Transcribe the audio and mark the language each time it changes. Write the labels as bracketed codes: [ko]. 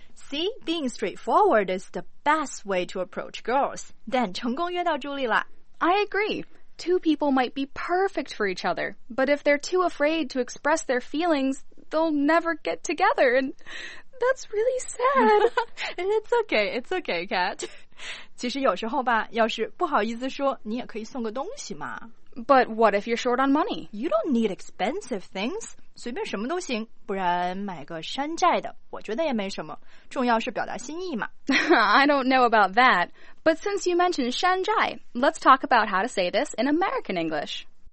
[en] See, being straightforward is the best way to approach girls. [zh] Dan 成功约到 Julie 了。 [en] I agree. Two people might be perfect for each other, but if they're too afraid to express their feelings, they'll never get together, and that's really sad. It's okay, it's okay, Kat. [zh] 其实有时候吧，要是不好意思说，你也可以送个东西嘛。 But what if you're short on money? You don't need expensive things. 随便什么都行，不然买个山寨的，我觉得也没什么。重要是表达心意嘛。 [en] I don't know about that. But since you mentioned 山寨, let's talk about how to say this in American English.